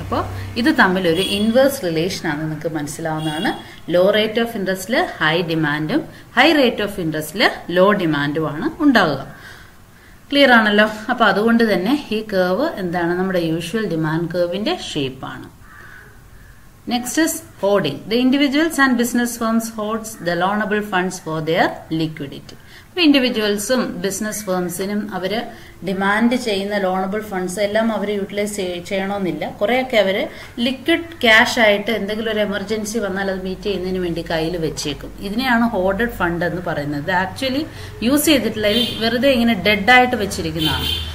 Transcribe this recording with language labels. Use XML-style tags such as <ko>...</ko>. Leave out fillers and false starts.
<ml>അപ്പോൾ ഇത് തമ്മിലൊരു ഇൻവേഴ്സ് റിലേഷൻ ആണ്, നിങ്ങൾക്ക് മനസ്സിലാവുന്നതാണ്. ലോ റേറ്റ് ഓഫ് ഇൻട്രസ്റ്റില് ഹൈ ഡിമാൻഡും ഹൈ റേറ്റ് ഓഫ് ഇൻട്രസ്റ്റില് ലോ ഡിമാൻഡുമാണ് ഉണ്ടാകുക. ക്ലിയർ ആണല്ലോ. അപ്പൊ അതുകൊണ്ട് തന്നെ ഈ കേവ് എന്താണ്? നമ്മുടെ യൂഷ്വൽ ഡിമാൻഡ് കേവിന്റെ ഷേപ്പാണ്.</ml> <en>Next is hoarding. The individuals and business firms hoards the loanable funds for their liquidity.</en> <ml>ഇൻഡിവിജ്വൽസും business ഫേംസിനും അവര് ഡിമാൻഡ് ചെയ്യുന്ന ലോണബിൾ ഫണ്ട്സ് എല്ലാം അവർ യൂട്ടിലൈസ് ചെയ്യണമെന്നില്ല. കുറെയൊക്കെ അവര് ലിക്വിഡ് ക്യാഷ് ആയിട്ട് എന്തെങ്കിലും ഒരു എമർജൻസി വന്നാൽ അത് മീറ്റ് ചെയ്യുന്നതിന് വേണ്ടി കയ്യിൽ വെച്ചേക്കും. ഇതിനെയാണ് ഹോർഡഡ് ഫണ്ട് എന്ന് പറയുന്നത്. ആക്ച്വലി യൂസ് ചെയ്തിട്ടുള്ള വെറുതെ ഇങ്ങനെ ഡെഡ് ആയിട്ട് വെച്ചിരിക്കുന്നതാണ്.</ml>